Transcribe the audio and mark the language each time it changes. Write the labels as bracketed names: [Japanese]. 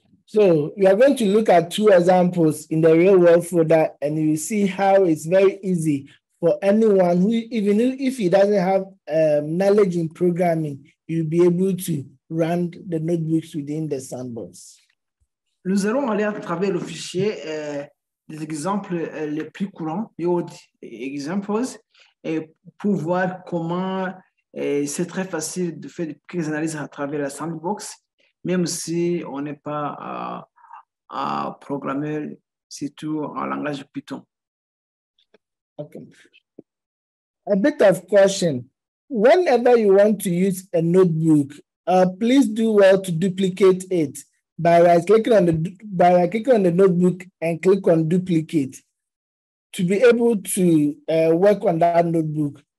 [English] So, we are going to look at two examples in the real world folder, and you see how it's very easy for anyone who, even if he doesn't have knowledge in programming, you'll be able to run the notebooks within the sandbox. [French] Nous allons aller à travers le fichier des exemples les plus courants, [English] your examples, [French] et pour voir comment c'est très facile de faire des analyses à travers la sandbox. Même si on n'est pas à programmer, surtout en langage Python. [English] Okay. A bit of question. Whenever you want to use a notebook, please do well to duplicate it by right clicking on the notebook and click on duplicate to be able to work on that notebook.